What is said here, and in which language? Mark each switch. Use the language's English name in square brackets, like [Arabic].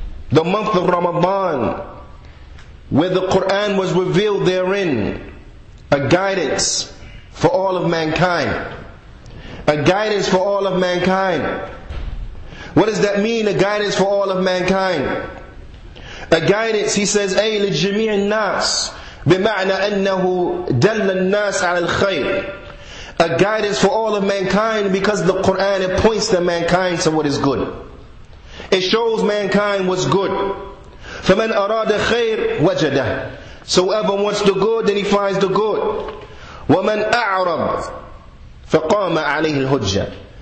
[English] The month of Ramadan, where the Qur'an was revealed therein, a guidance for all of mankind. A guidance for all of mankind. What does that mean, a guidance for all of mankind? A guidance, he says, [Arabic] أي لجميع الناس بمعنى أنه دل الناس على الخير [English] a guidance for all of mankind, because the Quran, it points to mankind to what is good. It shows mankind what's good. [Arabic] فَمَنْ أَرَادَ خَيْرٍ وَجَدَهُ. [English] So whoever wants the good, then he finds the good. [Arabic] وَمَنْ أَعْرَضْ فَقَامَ عَلَيْهِ الْهُجَّةِ.